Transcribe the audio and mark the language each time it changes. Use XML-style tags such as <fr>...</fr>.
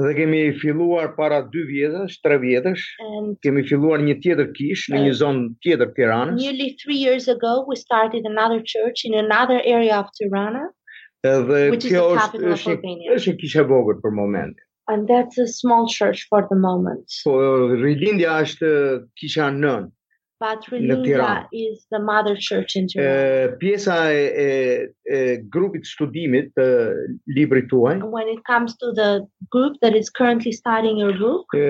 <sq>Dhe kemi filluar para 2 vjetësh, 3 vjetësh, kemi filluar një tjetër kishë në një zonë tjetër Tiranës.</sq> <en>Nearly 3 years ago we started another church in another area of Tirana.</en> <sq>Dhe kjo është kisha e vogël për momentin.</sq> <en>And that's a small church for the moment.</en> <sq>Po Rilindja është kisha nën.</sq> <en>But Rilindja is the mother church in Tirana.</en> <sq>Pjesa e grupit studimit të librit tuaj.</sq> <en>When it comes to the group that is currently studying your book.</en>